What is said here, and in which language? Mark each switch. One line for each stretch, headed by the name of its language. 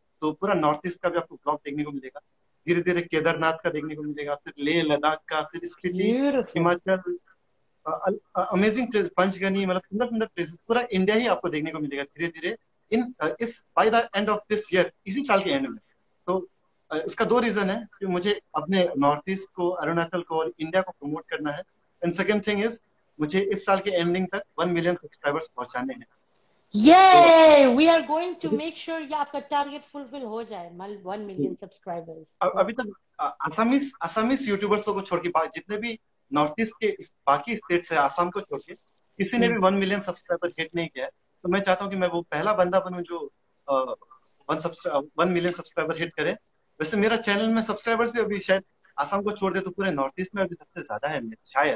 Hindi: तो पूरा north east का भी आपको ब्लॉग देखने को मिलेगा, धीरे धीरे केदारनाथ का देखने को मिलेगा, फिर लेह लद्दाख का, फिर स्पीति, हिमाचल, अमेजिंग प्लेस, पंचगनी, मतलब सुंदर सुंदर प्लेसेस, पूरा इंडिया ही आपको देखने को मिलेगा धीरे धीरे
English: इन इस by the end of this year,
Hindi: इसी साल के एंड में. तो इसका दो रीजन है कि मुझे अपने नॉर्थ ईस्ट को, अरुणाचल को और इंडिया को प्रमोट करना है
English: and second thing is
Hindi: मुझे इस साल के एंडिंग तक 1 मिलियन सब्सक्राइबर्स पहुंचाने हैं.
English: Yay! We are going to make sure your target fulfill
Hindi: ho jaye,
English: 1 million subscribers.
Hindi: अभी तक असमीज यूट्यूबर्स को छोड़ के बाकी जितने भी नॉर्थ ईस्ट के बाकी स्टेट्स है आसाम को छोड़ के किसी ने भी 1 मिलियन सब्सक्राइबर हिट नहीं किया. तो मैं चाहता हूँ कि मैं वो पहला बंदा बनू जो 1 मिलियन सब्सक्राइबर हिट करे. वैसे मेरा चैनल में सब्सक्राइबर्स भी अभी शायद आसाम को छोड़ दे तो पूरे नॉर्थ ईस्ट में अभी सबसे ज्यादा है शायद.